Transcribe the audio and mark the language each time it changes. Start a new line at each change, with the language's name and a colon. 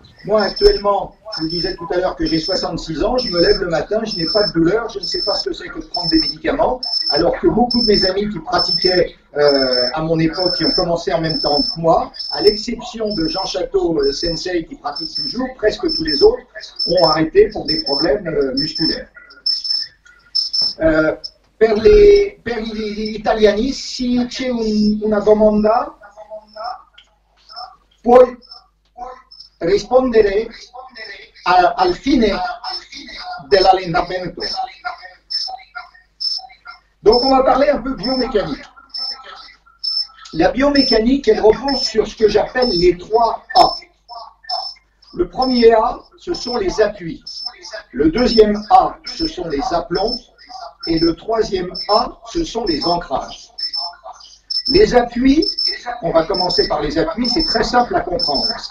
French: Moi, actuellement, je vous disais tout à l'heure que j'ai 66 ans, je me lève le matin, je n'ai pas de douleur, je ne sais pas ce que c'est que de prendre des médicaments, alors que beaucoup de mes amis qui pratiquaient à mon époque, qui ont commencé en même temps que moi, à l'exception de Jean Château Sensei qui pratique toujours, presque tous les autres ont arrêté pour des problèmes musculaires.
Italian: Per gli italiani, si c'è una domanda, poi rispondere al fine dell'allenamento.
French: Donc on va parler un peu biomécanique. La biomécanique, elle repose sur ce que j'appelle les 3 A. Le premier A, ce sont les appuis. Le deuxième A, ce sont les aplombs. Et le troisième A, ce sont les ancrages. Les appuis, on va commencer par les appuis, c'est très simple à comprendre.